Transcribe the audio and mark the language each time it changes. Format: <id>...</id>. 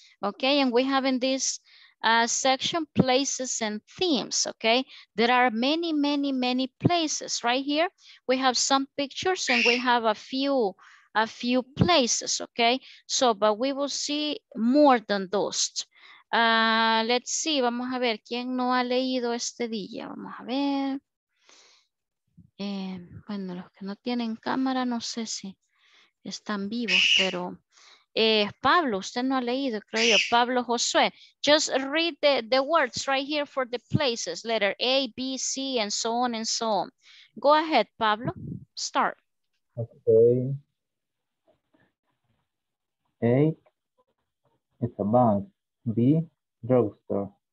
<en>Ok, and we have in this section places and themes, okay? There are many, many, many places right here. We have some pictures and we have a few places, okay? So, but we will see more than those. Let's see,</en> <es>vamos a ver, ¿quién no ha leído este día? Vamos a ver. Bueno, los que no tienen cámara, no sé si están vivos, pero Pablo, usted no ha leído, creo yo.</es> <en>Pablo Josué, just read the words right here for the places, letter A, B, C, and so on and so on. Go ahead, Pablo, start. Okay. A, it's a bank. B, drugstore.</en>